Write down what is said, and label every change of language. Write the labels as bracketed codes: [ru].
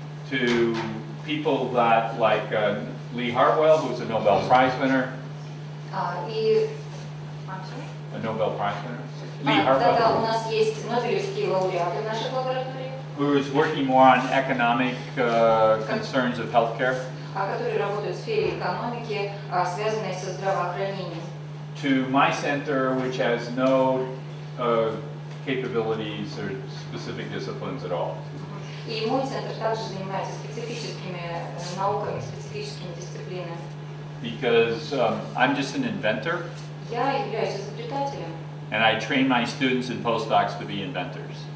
[en] To people that like Lee Hartwell, who's a Nobel Prize winner. A Nobel Prize winner. Lee Hartwell, [ru] да, да, у нас есть нобелевские лауреаты в нашей лаборатории. [en] Who is working more on economic concerns of healthcare. [ru] А которые работают в сфере экономики, связанной со здравоохранением. [en] To my center, which has no capabilities or specific disciplines at all. [ru] И мой центр также занимается специфическими науками, специфическими дисциплинами. [en] Because I'm just an inventor. [ru] Я являюсь изобретателем. [en] And I train my students and postdocs to be inventors.